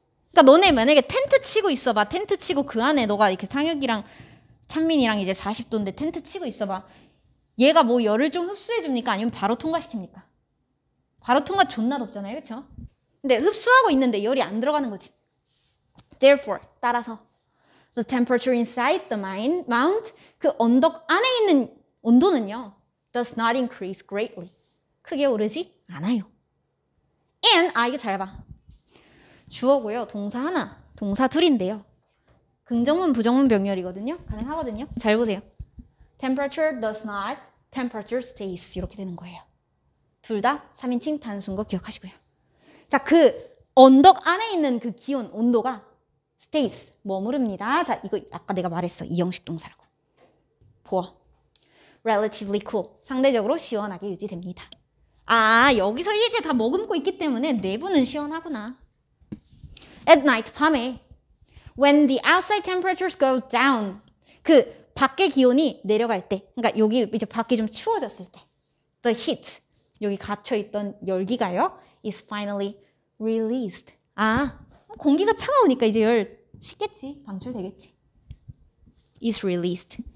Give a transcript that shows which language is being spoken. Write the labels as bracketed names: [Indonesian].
[Korean] 그러니까 너네 만약에 텐트 치고 있어봐. 텐트 치고 그 안에 너가 이렇게 상혁이랑 찬민이랑 이제 40도인데 텐트 치고 있어봐. 얘가 뭐 열을 좀 흡수해줍니까? 아니면 바로 통과시킵니까? 바로 통과 존나 덥잖아요. 그쵸? 근데 흡수하고 있는데 열이 안 들어가는 거지. [English] Therefore, [Korean] 따라서 [English] the temperature inside the mount, [Korean] 그 언덕 안에 있는 온도는요 [English] does not increase greatly. [Korean] 크게 오르지 않아요. And, 아 이거 잘 봐. 주어고요. 동사 하나, 동사 둘인데요. 긍정문, 부정문, 병렬이거든요. 가능하거든요. 잘 보세요. [English] temperature does not, temperature stays. [Korean] 이렇게 되는 거예요. 둘 다 3인칭 단수인 거 기억하시고요. 자, 그 언덕 안에 있는 그 기온, 온도가 stays, 머무릅니다. 자, 이거 아까 내가 말했어. 이 형식 동사라고. 보아. [English] relatively cool. [Korean] 상대적으로 시원하게 유지됩니다. 아, 여기서 이제 다 머금고 있기 때문에 내부는 시원하구나. [English] At night, [Korean] 밤에. [English] When the outside temperatures go down. [Korean] 그 밖에 기온이 내려갈 때. 그러니까 여기 이제 밖이 좀 추워졌을 때. [English] The heat. [Korean] 여기 갇혀있던 열기가요. [English] is finally released. [Korean] 아, 공기가 차가우니까 이제 열 식겠지. 방출되겠지. [English] is released.